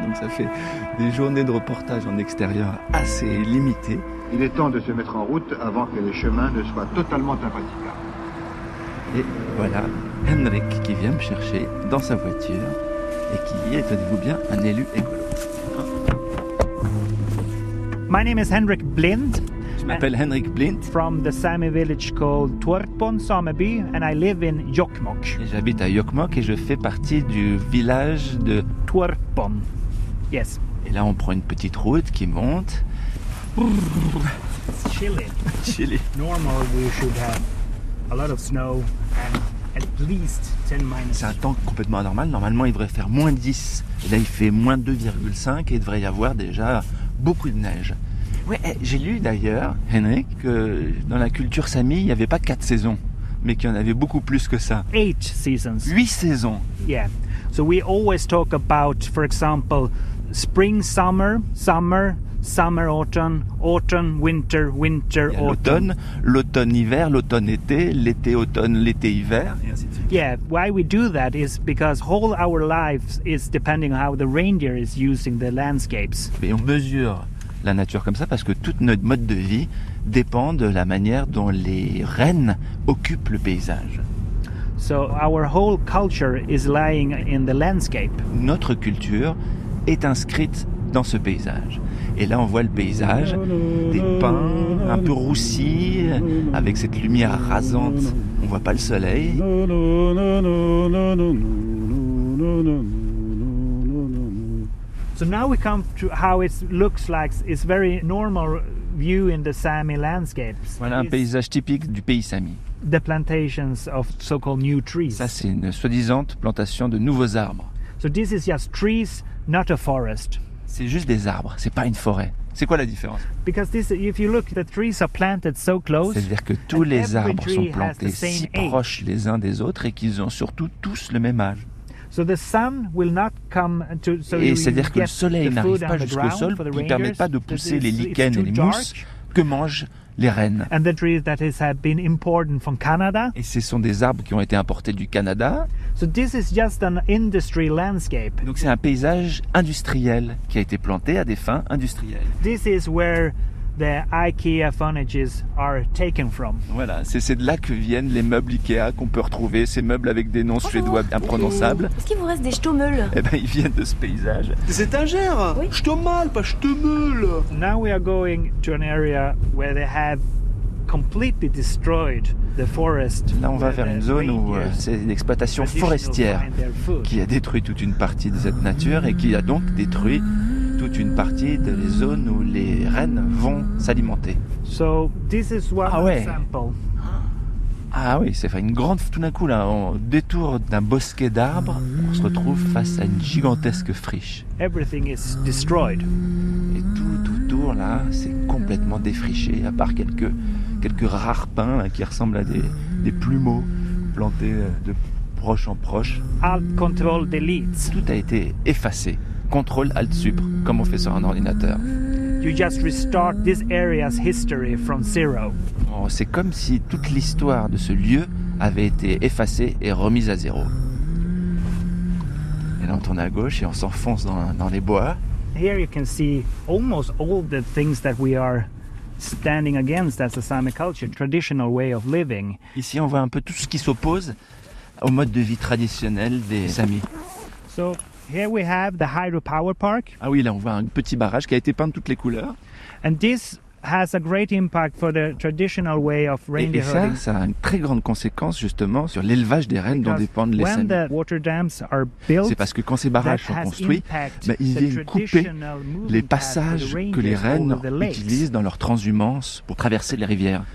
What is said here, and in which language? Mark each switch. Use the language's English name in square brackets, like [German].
[French] Donc ça fait des journées de reportage en extérieur assez limitées. Il est temps de se mettre en route avant que les chemins ne soient totalement impraticables. Et voilà Henrik qui vient me chercher dans sa voiture et qui est, tenez-vous bien, un élu écolo. [English] My name is Henrik Blind. [French] Je m'appelle Henrik Blind. [English] From the Sami village called Tuorpon Sameby, and I live in Jokkmokk. [French] Et j'habite à Jokkmokk et je fais partie du village de [English] Tuorpon. Yes. [French] Et là, on prend une petite route qui monte. [English] It's chilly. Chilly. Normal, we should have a lot of snow and at least 10 minus. [French] C'est un temps complètement anormal. Normalement, il devrait faire moins 10. Et là, il fait moins 2,5 et il devrait y avoir déjà beaucoup de neige. Ouais, j'ai lu d'ailleurs, Henrik, que dans la culture sami, il n'y avait pas 4 saisons, mais qu'il y en avait beaucoup plus que ça. [English] 8 seasons. [French] 8 saisons. [English] Yeah. So we always talk about, for example, spring, summer, summer, summer, autumn, autumn, winter, winter, autumn. [French] L'automne, l'automne, hiver, l'automne, été, l'été, automne, l'été, hiver. [English] Yeah, why we do that is because whole our lives is depending on how the reindeer is using the landscapes. [French] Mais on mesure la nature comme ça parce que toute notre mode de vie dépend de la manière dont les rennes occupent le paysage. [English] So our whole culture is lying in the landscape. [French] Notre culture est inscrite dans ce paysage. Et là, on voit le paysage, des pins un peu roussis, avec cette lumière rasante. On voit pas le soleil. [English] So now we come to how it looks like. It's very normal view in the Sami landscapes. [French] Voilà un paysage typique du pays Sami. [English] the plantations of so-called new trees. [French] Ça, c'est une soi-disant plantation de nouveaux arbres. [English] So this is just trees, not a forest. [French] C'est juste des arbres, c'est pas une forêt. C'est quoi la différence? [English] Because this, if you look, the trees are planted so close. [French] C'est-à-dire que tous les arbres sont plantés si proches les uns des autres et qu'ils ont surtout tous le même âge. [English] So the sun will not come to. So [French] et c'est-à-dire que le soleil n'arrive pas jusqu'au sol, qui ne permet pas de pousser les lichens et les mousses que mangent les rennes. [English] And the trees that have been imported from Canada. [French] Et ce sont des arbres qui ont été importés du Canada. [English] So this is just an industry landscape. [French] Donc c'est un paysage industriel qui a été planté à des fins industrielles. [English] This is where the IKEA furnitures are taken from. [French] Voilà, c'est de là que viennent les meubles IKEA qu'on peut retrouver, ces meubles avec des noms suédois imprononçables. Est-ce qu'il vous reste des Stommel? Eh ben ils viennent de ce paysage. Des étagères. Oui. Stommel, pas Stommel. [English] Now we are going to an area where they have completely destroyed the forest. [French] Là, on va vers une zone où c'est une exploitation forestière qui a détruit toute une partie de cette nature et qui a donc détruit toute une partie des zones où les rennes vont s'alimenter. [English] So, this is one example. [French] Ah oui, c'est une grande. Tout d'un coup, là, au détour d'un bosquet d'arbres, on se retrouve face à une gigantesque friche. [English] Everything is destroyed. [French] Et tout autour, là, c'est complètement défriché, à part quelques rares pins là, qui ressemblent à des plumeaux plantés de proche en proche. [English] Alt control delete. [French] Tout a été effacé. Contrôle alt sup, comme on fait sur un ordinateur. [English] You just restart this area's history from zero. [French] Oh, c'est comme si toute l'histoire de ce lieu avait été effacée et remise à zéro. Et là, on tourne à gauche et on s'enfonce dans les bois. [English] Here you can see almost all the things that we are standing against as a Sami culture, traditional way of living. [French] Ici, on voit un peu tout ce qui s'oppose au mode de vie traditionnel des Sami. [English] So here we have the hydropower park. [French] Ah oui, là on voit un petit barrage qui a été peint de toutes les couleurs. [English] And this has a great impact for the traditional way of reindeer herding. [French] Et ça a une très grande conséquence justement sur l'élevage des rennes dont dépendent les Sami. [English] When the water dams are built, [French] c'est parce que quand ces barrages sont construits, bah, ils viennent couper les passages que les rennes utilisent dans leur transhumance pour traverser les rivières.